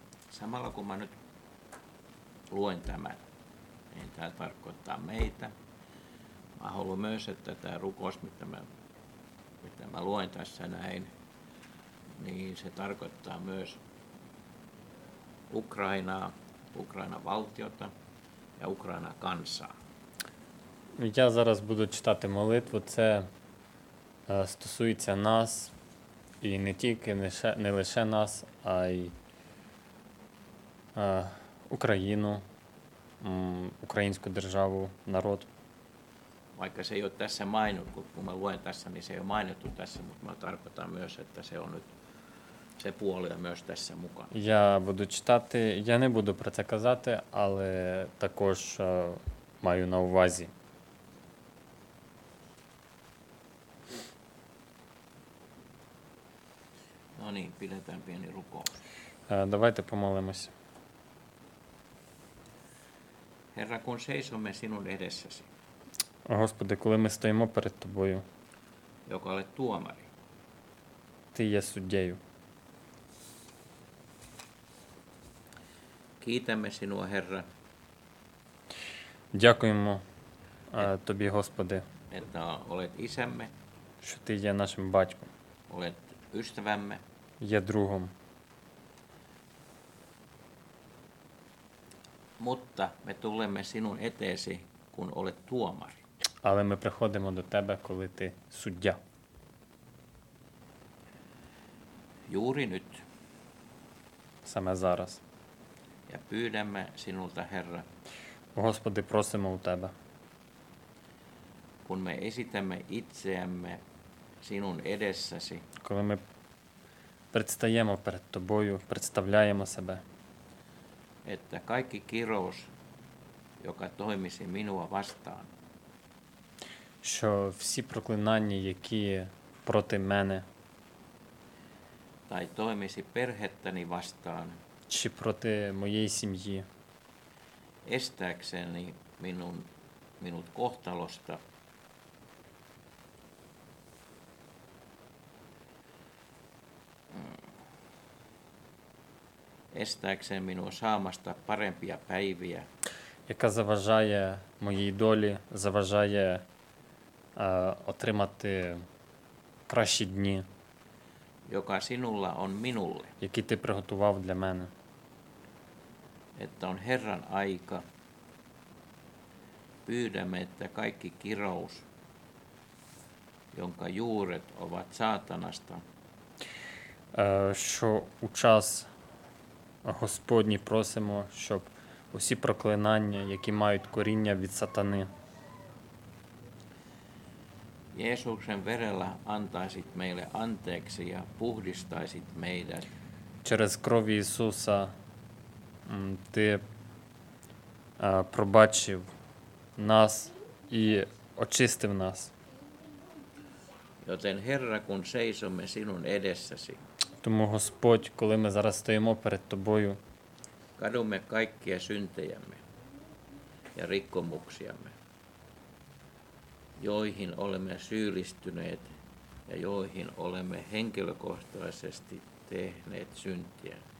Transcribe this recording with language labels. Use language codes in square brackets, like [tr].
[fi] Samalla kun mä nyt luen tämän, niin tämä tarkoittaa meitä. Mä haluan myös, että tämä rukous, mitä mä luen tässä näin, niin se tarkoittaa myös Ukrainaa, Ukrainan valtiota ja Ukrainan kansaa. [uk] Я зараз буду читати молитву. Це стосується нас і не тільки не лише нас, а й Україну, українську державу, народ. [fi] Vaikka se ei ole tässä mainittu, kun mä luen tässä, niin se ei ole mainittu tässä, mutta mä tarkoitan myös, että se on nyt se puoli myös tässä mukana. [uk] Ja budu читати, я не буду про це казати, але також маю на увазі. [fi] No niin, pidetään pieni rukous. [uk] Давайте помолимося. [fi] Herra, kun seisomme sinun edessäsi, [uk] Господи, коли ми стоїмо перед тобою, [fi] Joka olet tuomari. [uk] Ти є суддєю. [fi] Kiitämme sinua, Herra. [uk] Дякуємо тобі, Господи, [fi] että olet isämme, [uk] що ти є нашим батьком, [fi] olet ystävämme, [uk] є другом. [fi] Mutta me tulemme sinun eteesi, kun olet tuomari. [uk] Але ми приходимо до тебе, коли ти суддя. [fi] Juuri nyt. [uk] Саме зараз. [fi] Ja pyydämme sinulta, Herra. [uk] Господи, просимо у тебе. [fi] Kun me esitämme itseämme sinun edessäsi. [uk] Коли ми предстаємо перед тобою, представляємо себе. [fi] Että kaikki kirous, joka toimisi minua vastaan, [uk] що всі проклинання, які проти мене, [fi] tai toimisi perhettäni vastaan, [uk] чи проти моєї сім'ї, [fi] estääkseni minut kohtalosta, estääkseni minua saamasta parempia päiviä, [uk] яка заважає моїй долі, заважає отримати кращі дні, [fi] joka sinulla on minulle, [uk] які ти приготував для мене, [fi] että on Herran aika, pyydämme, että kaikki kirous, jonka juuret ovat saatanasta, [uk] що у час Господній просимо, щоб усі проклинання, які мають коріння від сатани, [fi] Jeesuksen verellä antaisit meille anteeksi ja puhdistaisit meidät. [uk] Через кров Ісуса ти пробачив нас і очистив нас. [fi] Joten Herra, kun seisomme sinun edessäsi, [uk] тому Господь, коли ми зараз стоїмо перед тобою, [fi] kadumme kaikkia syntejämme ja rikkomuksiamme, joihin olemme syyllistyneet ja joihin olemme henkilökohtaisesti tehneet syntiä.